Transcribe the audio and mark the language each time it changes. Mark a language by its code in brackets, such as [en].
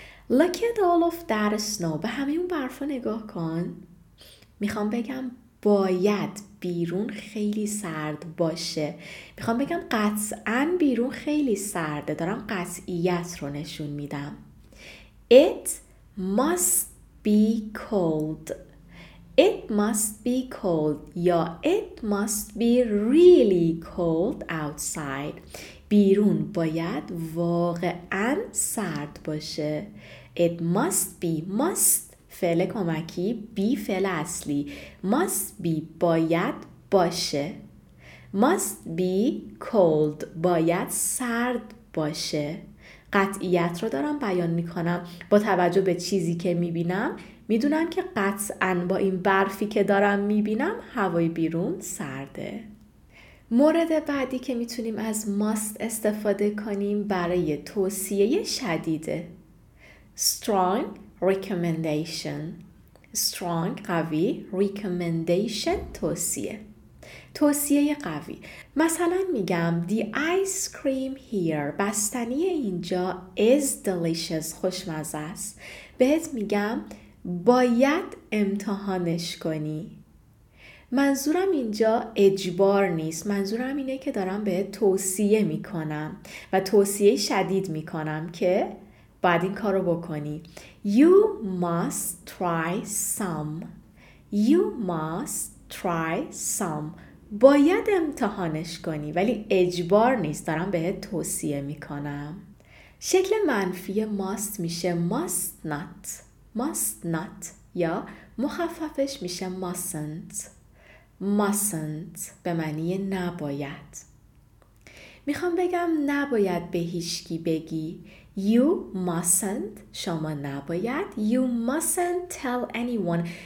[en] Look at all of that snow، [fa] به همه اون برفا نگاه کن. میخوام بگم باید بیرون خیلی سرد باشه. میخوام بگم قطعا بیرون خیلی سرده، دارم قطعیت رو نشون میدم. [en] It must be cold. It must be cold یا It must be really cold outside. [fa] بیرون باید واقعا سرد باشه. [en] It must be، [fa] must فعل کمکی، be فعل اصلی، must be باید باشه، [en] must be cold [fa] باید سرد باشه. قطعیت رو دارم بیان میکنم با توجه به چیزی که میبینم، میدونم که قطعا با این برفی که دارم میبینم هوای بیرون سرده. مورد بعدی که میتونیم از must استفاده کنیم برای توصیه شدیده. [en] Strong recommendation. Strong قوی، recommendation توصیه. [fa] توصیه قوی. مثلا میگم [en] the ice cream here، [fa] بستنی اینجا [en] is delicious، [fa] خوشمزه است. بهت میگم باید امتحانش کنی. منظورم اینجا اجبار نیست، منظورم اینه که دارم به توصیه میکنم و توصیه شدید میکنم که باید این کارو بکنی. [en] You must try some. You must try some. [fa] باید امتحانش کنی، ولی اجبار نیست، دارم به توصیه میکنم. شکل منفی must میشه must not. [en] Must not. [fa] یا مخففش میشه [en] mustn't. [fa] mustn't به معنی نباید. میخوام بگم نباید به هیچکی بگی. [en] You mustn't. [fa] شما نباید. [en] You mustn't tell anyone.